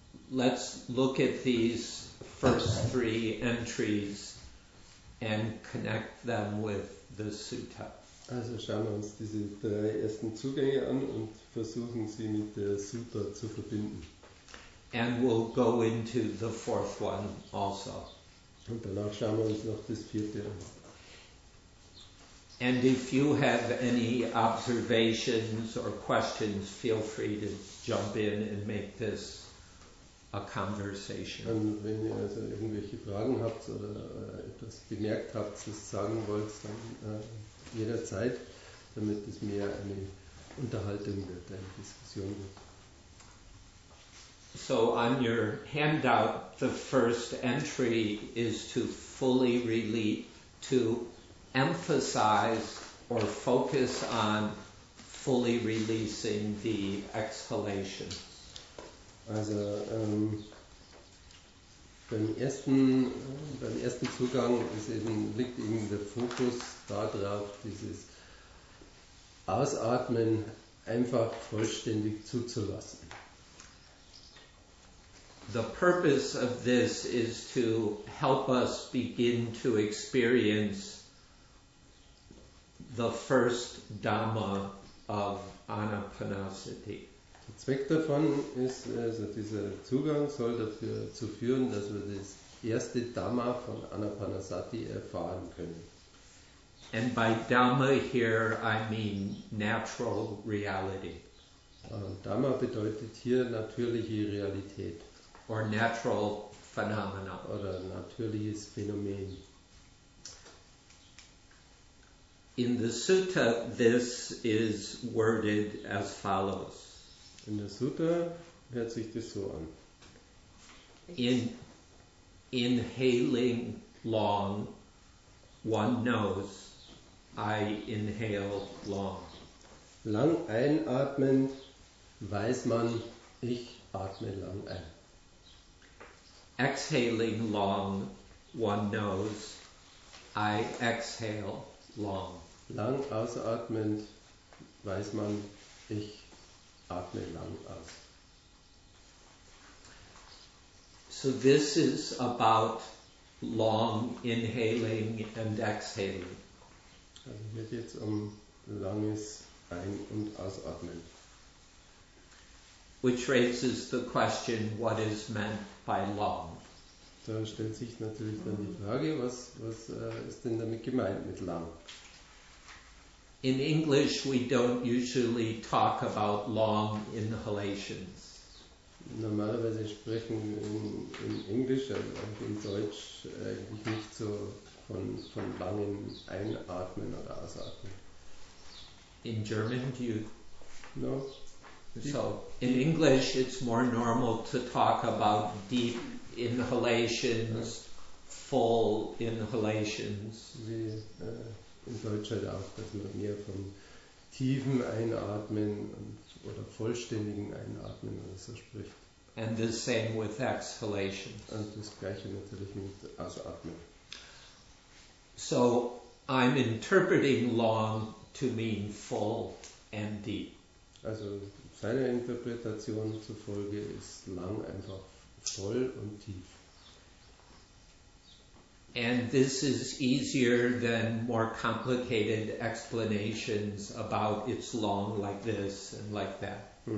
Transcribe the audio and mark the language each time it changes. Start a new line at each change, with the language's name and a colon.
English: Let's look at these first three entries and connect them with the sutta.
German: Also schauen wir uns diese drei ersten Zugänge an und versuchen sie mit der Sutta zu verbinden.
English: And we'll go into the fourth one also.
German: Und danach schauen wir uns noch das vierte an.
English: And if you have any observations or questions, feel free to jump in and make this a conversation.
German: Und wenn ihr also irgendwelche Fragen habt oder etwas bemerkt habt, das sagen wollt, dann jederzeit, damit es mehr eine Unterhaltung wird, eine Diskussion wird.
English: So on your handout, the first entry is to fully relate to emphasize or focus on fully releasing the exhalation.
German: Also beim ersten Zugang liegt eben der Fokus darauf, dieses Ausatmen einfach vollständig zuzulassen.
English: The purpose of this is to help us begin to experience the first Dhamma of Anapanasati.
German: Der Zweck davon ist, also dieser Zugang soll dazu führen, dass wir das erste Dhamma von Anapanasati erfahren können.
English: And by Dhamma here I mean natural reality.
German: Dhamma bedeutet hier natürliche Realität.
English: Or natural phenomena.
German: Oder natürliches Phänomen.
English: In the sutta, this is worded as follows.
German: In der Sutta hört sich das so an.
English: Inhaling long, one knows I inhale long.
German: Lang einatmend, weiß man, ich atme lang ein.
English: Exhaling long, one knows I exhale long.
German: Lang ausatmend, weiß man, ich atme lang aus.
English: So this is about long inhaling and exhaling.
German: Also es geht jetzt um langes Ein- und Ausatmen.
English: Which raises the question, what is meant by long?
German: Da stellt sich natürlich dann die Frage, was ist denn damit gemeint mit lang?
English: In English we don't usually talk about long inhalations.
German: Normalerweise sprechen in Englisch, also auch in Deutsch, eigentlich nicht so von langem Einatmen oder Ausatmen.
English: In German do you? No. So in English it's more normal to talk about deep inhalations, full inhalations.
German: In Deutschland auch, dass man mehr von tiefen Einatmen oder vollständigen Einatmen oder so spricht.
English: And the same with exhalation.
German: Und das gleiche natürlich mit Ausatmen.
English: So I'm interpreting long to mean full and deep.
German: Also seiner Interpretation zufolge ist lang einfach voll und tief.
English: And this is easier than more complicated explanations about it's long like this and like that.